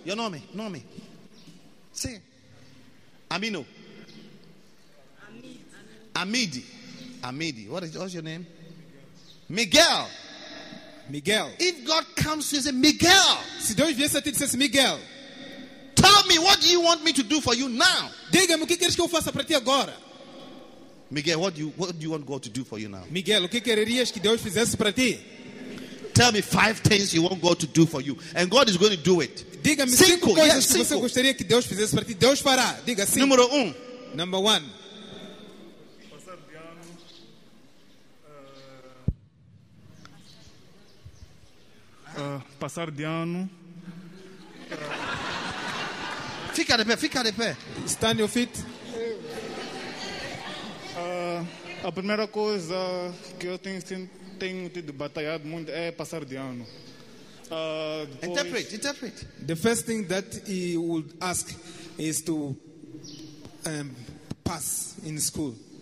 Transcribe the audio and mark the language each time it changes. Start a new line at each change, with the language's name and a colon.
English: Your name,
Portuguese: nome. Sim.
English: Amino. Amidi. Amidi. What's your name? Miguel. Miguel. If God comes to you and say, Miguel,
Portuguese: se Deus viesse a ti e dissesse, Miguel,
English: tell me, what do you want me to do for you now?
Portuguese: Diga-me o que queres que eu faça para ti agora.
English: Miguel, what do you want God to do for you now?
Portuguese: Miguel, o que quererias que Deus fizesse para ti?
English: Tell me 5 things you want God to do for you, and God is going to do it.
Portuguese: Diga-me 5 coisas yes, que você gostaria que Deus fizesse para ti. Deus fará. Diga 5. Número 1.
English: Number 1.
Portuguese: Passar de ano. Passar de ano. Fica de pé, fica de pé.
English: Stand your feet.
Portuguese: A primeira coisa que eu tenho tido batalhado muito é passar de ano.
English: Interpret. The first thing that he would ask is to pass in school.